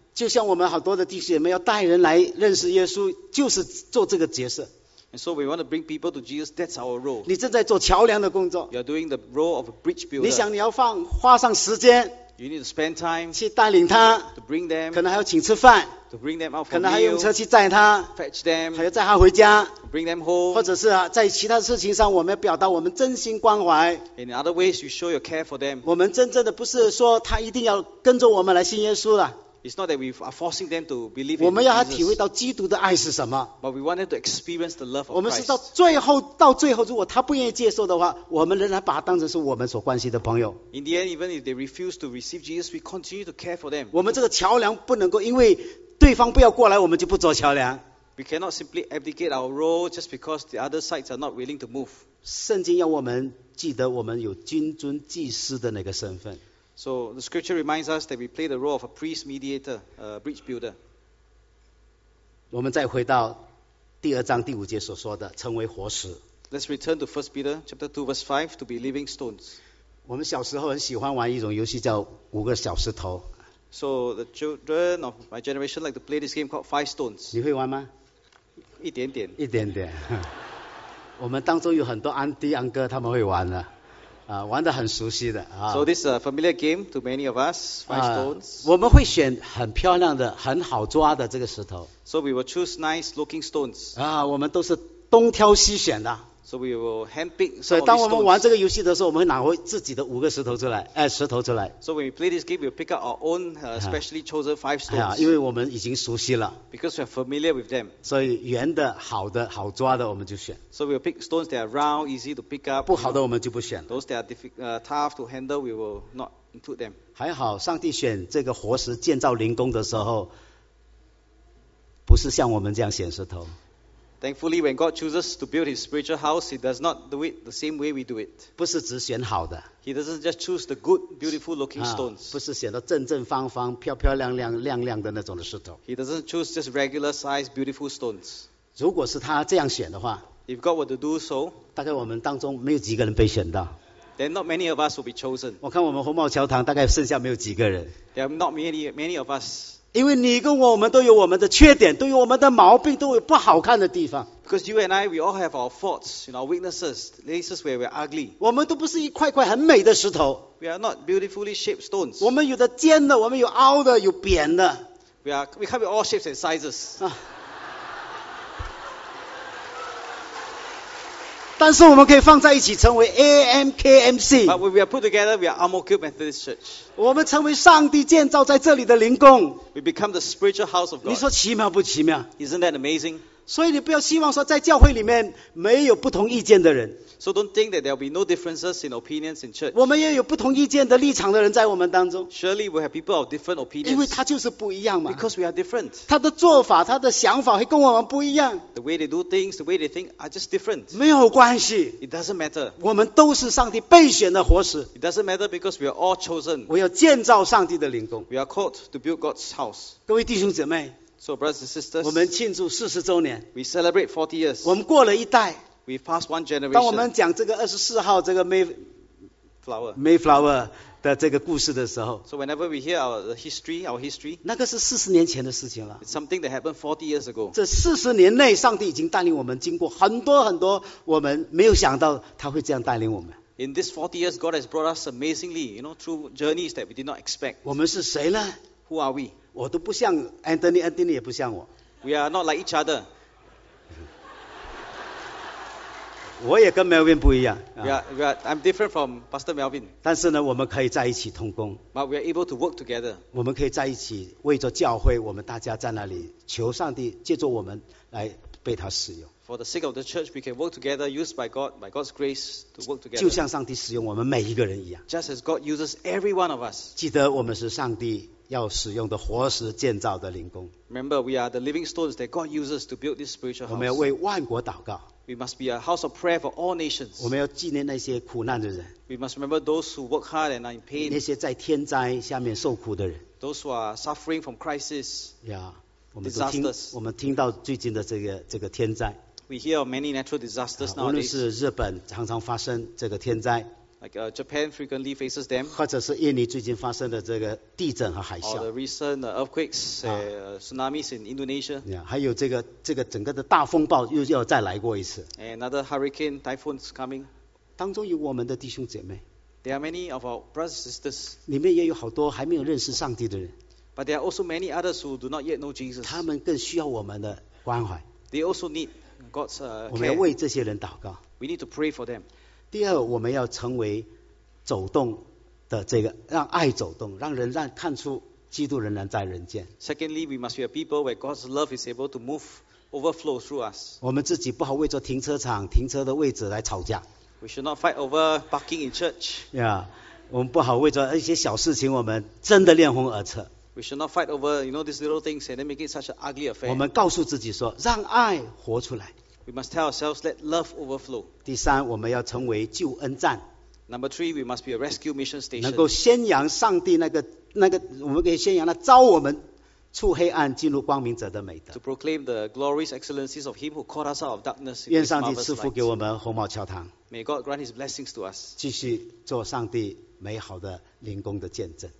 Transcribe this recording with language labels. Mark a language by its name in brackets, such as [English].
[Chinese] 就像我们好多的弟兄姐妹要带人来认识耶稣， 就是做这个角色。 [English] And so we want to bring people to Jesus, that's our role. [Chinese] 你正在做桥梁的工作。 [English] You're doing the role of a bridge builder. [Chinese] 你想你要花上时间。 [English] You need to spend time. [Chinese] 去带领他。 [English] To bring them. [Chinese] 可能还要请吃饭。 [English] To bring them out for meal. [Chinese] 可能还用车去载他。 [English] Fetch them. [Chinese] 还要载他回家。 [English] Bring them home. [Chinese] 或者是在其他事情上我们要表达我们真心关怀。 [English] In other ways, you show your care for them. [Chinese] 我们真正的不是说他一定要跟着我们来信耶稣了。 [English] It's not that we are forcing them to believe in Jesus. [Chinese] 我们要他体会到基督的爱是什么。 [English] But we want them to experience the love of Christ. [Chinese] 我们是到最后，如果他不愿意接受的话， 我们仍然把他当成是我们所关心的朋友。 [English] In the end, even if they refuse to receive Jesus, we continue to care for them. [Chinese] 我们这个桥梁不能够因为对方不要过来，我们就不做桥梁。 [English] We cannot simply abdicate our role just because the other sides are not willing to move. [Chinese] 圣经要我们记得我们有君尊祭司的那个身份。 [English] So the scripture reminds us that we play the role of a priest, mediator, a bridge builder. [Chinese] 我们再回到第二章第五节所说的，成为活石。 [English] Let's return to 1 Peter chapter 2 verse 5, to be living stones. [Chinese] 我们小时候很喜欢玩一种游戏叫五个小石头。 [English] So the children of my generation like to play this game called Five Stones. [Chinese] 你会玩吗？一点点。一点点。我们当中有很多安迪安哥他们会玩的，啊，玩得很熟悉的啊。 [English] So this is a familiar game to many of us. Five stones. [Chinese] 我们会选很漂亮的、很好抓的这个石头。 [English] So we will choose nice looking stones. [Chinese] 啊，我们都是东挑西选的。 [English] So we will handpick. [Chinese] 所以当我们玩这个游戏的时候，我们会拿回自己的五个石头出来，哎，石头出来。 [English] So when we play this game, we pick up our own, specially chosen five stones. [Chinese] 因为我们已经熟悉了。 [English] Because we are familiar with them. [Chinese] 所以圆的、好的、好抓的，我们就选。 [English] So we will pick stones that are round, easy to pick up. [Chinese] 不好的我们就不选。 [English] Those that are tough to handle, we will not include them. [Chinese] 还好，上帝选这个活石建造灵宫的时候，不是像我们这样选石头。 [English] Thankfully, when God chooses to build His spiritual house, He does not do it the same way we do it. [Chinese] 不是只选好的。 [English] He doesn't just choose the good, beautiful-looking stones. [Chinese] 不是选到正正方方、漂漂亮亮、亮亮的那种的石头。 [English] He doesn't choose just regular-sized, beautiful stones. [Chinese] 如果是他这样选的话 [English] ，If God were to do so, [Chinese] 大概我们当中没有几个人被选到。 [English] Then not many of us will be chosen. [Chinese] 我看我们红帽教堂大概剩下没有几个人。 [English] There are not many of us. [Chinese] 因为你跟我，我们都有我们的缺点，都有我们的毛病，都有不好看的地方。 [English] Because you and I, we all have our faults, you know, weaknesses, places where we're ugly. [Chinese] 我们都不是一块块很美的石头。 [English] We are not beautifully shaped stones. [Chinese] 我们有的尖的，我们有凹的，有扁的。 [English] We come in all shapes and sizes. [Chinese] 但是我们可以放在一起成为 AMKMC。 [English] But when we are put together, we are Amokyo Methodist Church. [Chinese] 我们成为上帝建造在这里的灵宫。 [English] We become the spiritual house of God. [Chinese] 你说奇妙不奇妙 [English] ？Isn't that amazing? [Chinese] 所以你不要希望说在教会里面没有不同意见的人。 [English] So don't think that there will be no differences in opinions in church. [Chinese] 我们也有不同意见的立场的人在我们当中。 [English] Surely we have people of different opinions. [Chinese] 因为他就是不一样嘛。 [English] Because we are different. [Chinese] 他的做法、他的想法会跟我们不一样。 [English] The way they do things, the way they think are just different. [Chinese] 没有关系。 [English] It doesn't matter. [Chinese] 我们都是上帝备选的活石。 [English] It doesn't matter because we are all chosen. [Chinese] 我要建造上帝的灵宫。 [English] We are called to build God's house. [Chinese] 各位弟兄姐妹。 [English] So brothers and sisters. [Chinese] 我们庆祝40周年。 [English] We celebrate 40 years. [Chinese] 我们过了一代。 [English] We've passed one generation. [Chinese] 当我们讲这个24号这个 Mayflower 的这个故事的时候 [English] So whenever we hear our history [Chinese] 那个是40年前的事情了 [English] It's something that happened 40 years ago. [Chinese] 这40年内上帝已经带领我们经过很多很多我们没有想到他会这样带领我们 [English] In this 40 years, God has brought us amazingly, you know, through journeys that we did not expect. [Chinese] 我们是谁呢 [English] Who are we? [Chinese] 我都不像 Anthony 也不像我 [English] We are not like each other. [Chinese] 我也跟 Melvin 不一样。 [English] I'm different from Pastor Melvin. [Chinese] 但是呢，我们可以在一起同工。 [English] But we are able to work together. [Chinese] 我们可以在一起为着教会，我们大家在那里求上帝借助我们来被他使用。 [English] For the sake of the church, we can work together, used by God, by God's grace to work together. [Chinese] 就像上帝使用我们每一个人一样。 [English] Just as God uses every one of us. [Chinese] 记得我们是上帝要使用的活石建造的灵宫。 [English] Remember, we are the living stones that God uses to build this spiritual house. [Chinese] 我们要为万国祷告。 [English] We must be a house of prayer for all nations. [Chinese] 我们要纪念那些苦难的人。 [English] We must remember those who work hard and are in pain. [Chinese] 那些在天灾下面受苦的人。 [English] Those who are suffering from crisis. Yeah, [Chinese] 我们听到最近的这个天灾。 [English] We hear of many natural disasters nowadays. [Chinese] 无论是日本常常发生这个天灾。 [English] Like Japan frequently faces them. [Chinese] 或者是印尼最近发生的这个地震和海啸。 [English] Or the recent earthquakes, tsunamis in Indonesia. Yeah, [Chinese] 还有这个整个的大风暴又要再来过一次。 [English] Another hurricane, typhoon is coming. [Chinese] 当中有我们的弟兄姐妹。 [English] There are many of our brothers and sisters. [Chinese] 里面也有好多还没有认识上帝的人。 [English] But there are also many others who do not yet know Jesus. [Chinese] 他们更需要我们的关怀。 [English] They also need God's care. [Chinese] 我们要为这些人祷告。 [English] We need to pray for them. [Chinese] 第二，我们要成为走动的这个，让爱走动，让人让看出基督仍然在人间。 [English] Secondly, we must be a people where God's love is able to move, overflow through us. [Chinese] 我们自己不好为着停车场、停车的位置来吵架。 [English] We should not fight over parking in church. Yeah, [Chinese] 我们不好为着一些小事情，我们真的恋红耳赤。 [English] We should not fight over, you know, these little things and make it such an ugly affair. [Chinese] 我们告诉自己说，让爱活出来。 [English] We must tell ourselves, let love overflow. [Chinese] 第三，我们要成为救恩站。 [English] Number three, we must be a rescue mission station. [Chinese] 能够宣扬上帝那个，我们可以宣扬那招我们出黑暗进入光明者的美德。 [English] To proclaim the glorious excellencies of Him who called us out of darkness. [Chinese] 愿上帝赐福给我们红帽教堂。 May God grant His blessings to us. 继续做上帝美好的灵宫的见证。